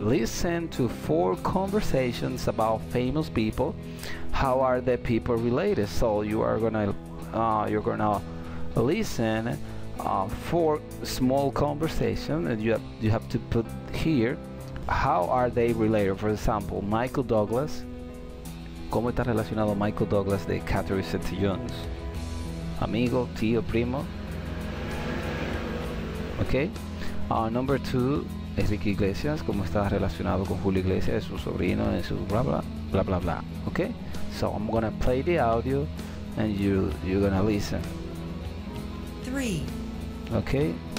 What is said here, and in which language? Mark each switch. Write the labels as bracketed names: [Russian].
[English] Listen to 4 conversations about famous people, how are the people related? So, you are gonna, listen. 4 small conversations that you have to put here. How are they related? For example, Michael Douglas. [Spanish] ¿Cómo está relacionado Michael Douglas de Catherine Zeta-Jones? Amigo, tío, primo. [English] Okay. Number 2, Enrique Iglesias. [Spanish] ¿Cómo está relacionado con Julio Iglesias? Es su sobrino, es su bla bla bla bla bla. [English] Okay. So I'm gonna play the audio, and you're gonna listen. 3. Okay.